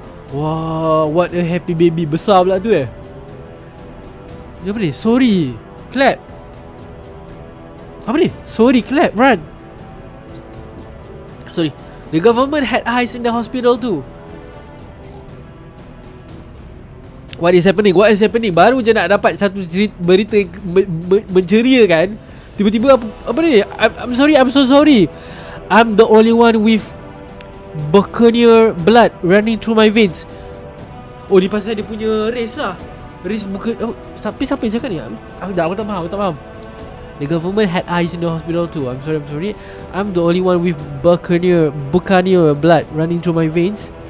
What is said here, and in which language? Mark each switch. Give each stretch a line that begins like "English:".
Malay: Wah,
English: what a happy baby.
Malay: Besar pula tu eh. Apa ni?
English: Sorry. Clap.
Malay: Apa ni?
English: Sorry, clap, run. Sorry. The government had eyes in the hospital too. What is happening?
Malay: Baru je nak dapat satu berita yang menceria kan. Tiba-tiba apa ni?
English: I'm so sorry. I'm the only one with Buccaneer blood running through my veins.
Malay: Oh, ni pasal dia punya race lah. risk bukan siapa yang cakap ni. Aku tak faham.
English: The government had eyes in the hospital too. I'm sorry. I'm the only one with Buccaneer blood running through my veins.